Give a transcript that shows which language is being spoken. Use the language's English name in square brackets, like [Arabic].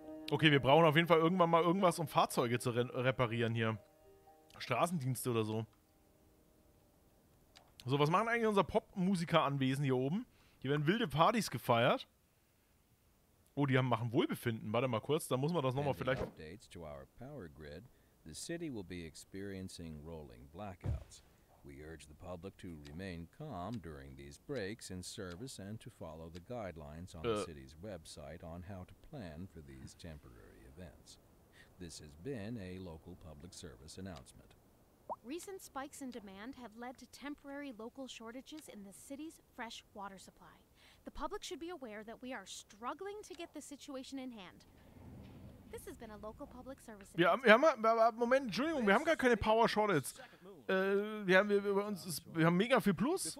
[German] Okay, wir brauchen auf jeden Fall irgendwann mal irgendwas, um Fahrzeuge zu reparieren hier. Straßendienste oder so. So, was machen eigentlich unser Popmusiker-Anwesen hier oben? Hier werden wilde Partys gefeiert. Oh, die machen Wohlbefinden. Warte mal kurz, da muss man das nochmal vielleicht. [English] Updates to our power grid, the city will be experiencing rolling blackouts. We urge the public to remain calm during these breaks in service and to follow the guidelines on the city's website on how to plan for these temporary events. This has been a local public service announcement. Recent spikes in demand have led to temporary local shortages in the city's fresh water supply. The public should be aware that we are struggling to get the situation in hand. This has been a local public service announcement. [German] Wir haben Moment, Entschuldigung, wir haben gar keine Power Shortage. Wir haben mega viel Plus.